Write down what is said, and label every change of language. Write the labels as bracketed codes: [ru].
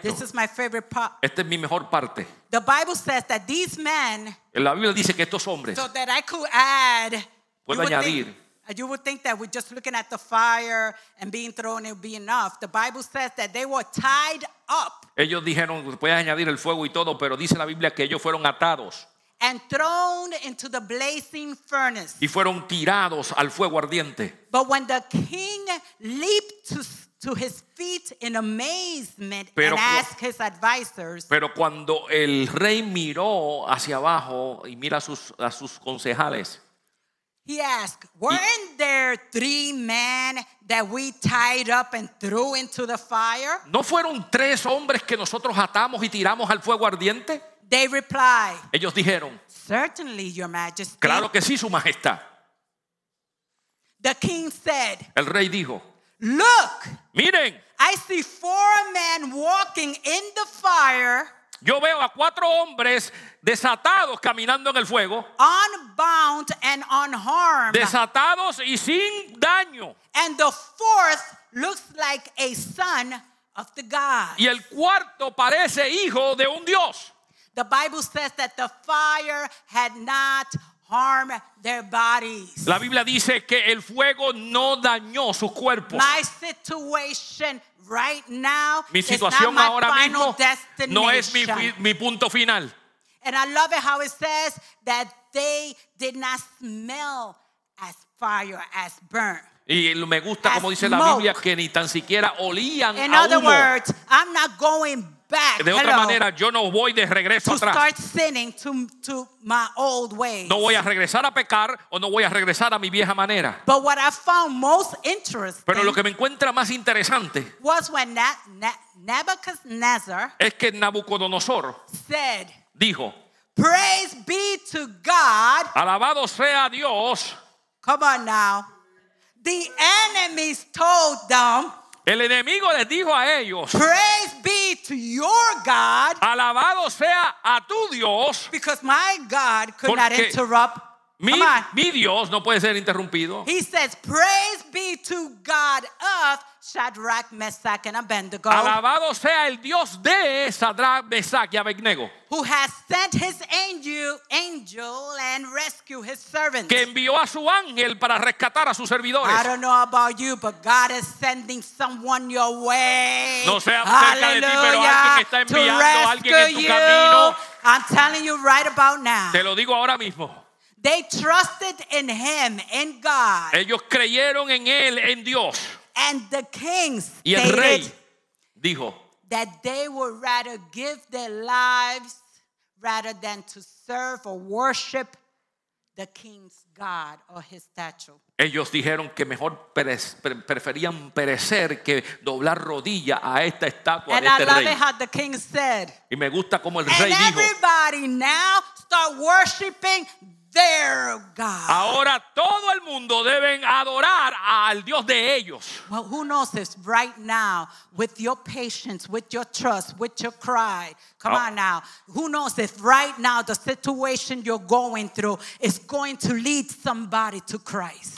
[en] This is my favorite part. [es] Esta es mi mejor parte. [en] The Bible says that these men. [es] La Biblia dice que estos hombres. [en] So that I could add. [es] Puedo añadir. [en] You would think that with just looking at the fire and being thrown, it would be enough. The Bible says that they were tied up. [es] Ellos dijeron, puedes añadir el fuego y todo, pero dice la Biblia que ellos fueron atados. [en] And thrown into the blazing furnace. [es] Y fueron tirados al fuego ardiente. [en] But when the king leaped to his feet in amazement [es] pero, [en] and asked his advisors. [es] Pero cuando el rey miró hacia abajo y mira a sus concejales. [en] He asked, weren't there 3 men that we tied up and threw into the fire? [es] ¿No fueron 3 hombres que nosotros atamos y tiramos al fuego ardiente? [en] They reply. [es] Ellos dijeron. [en] Certainly, your majesty. [es] Claro que sí, su majestad. [en] The king said. [es] El rey dijo. [en] Look, [es] miren, [en] I see 4 men walking in the fire. [es] Yo veo a cuatro hombres desatados caminando en el fuego. [en] Unbound and unharmed. [es] Desatados y sin daño. [en] And the fourth looks like a son of the God. [es] Y el cuarto parece hijo de un Dios. [en] The Bible says that the fire had not harm their bodies. [es] La Biblia dice que el fuego no dañó sus cuerpos. [en] My situation right now, [es] mi situación [en] is not [es] ahora [en] my final [es] mismo [en] destination. [es] No es mi punto final. [en] And I love it how it says that they did not smell as fire as burnt. [es] Y me gusta como dice la Biblia que ni tan siquiera olían a humo. [en] In other words, I'm not going back. [es] De otra manera, yo no voy de regreso atrás. [en] To start sinning to my old ways. [es] No voy a regresar a pecar o no voy a regresar a mi vieja manera. [en] But what I found most interesting. [es] Pero lo que me encuentra más interesante [en] was when Nebuchadnezzar [es] es que Nabucodonosor [en] said, [es] dijo, [en] praise be to God. [es] Alabado sea Dios. [en] Come on now. The enemies told them. [es] El enemigo les dijo a ellos. [en] Praise be to your God. [es] Alabado sea a tu Dios. [en] Because my God could not interrupt. [es] Mi Dios no puede ser interrumpido. [en] He says, praise be to God of Shadrach, Meshach, and Abednego. [es] Alabado sea el Dios de Shadrach, Meshach, y Abednego. [en] Who has sent his angel and rescued his servants. [es] Que envió a su ángel para rescatar a sus servidores. [en] I don't know about you, but God is sending someone your way. [es] No sea cerca Hallelujah. De ti, pero alguien está enviando alguien en tu [en] you. [es] Camino. [en] I'm telling you right about now. [es] Te lo digo ahora mismo. [en] They trusted in him, in God. [es] Ellos creyeron en él, en Dios. [en] And the king stated [es] y el rey dijo, [en] that they would rather give their lives rather than to serve or worship the king's God or his statue. [es] Ellos dijeron que mejor preferían perecer que doblar rodilla a esta estatua [en] and [es] de este [en] I love [es] rey. [en] It how the king said, [es] y me gusta como el [en] and [es] rey dijo. [en] And everybody now start worshiping their God. [es] Ahora todo el mundo deben adorar al Dios de ellos. [en] Well, who knows this right now with your patience, with your trust, with your cry. Come on now. Who knows if right now the situation you're going through is going to lead somebody to Christ.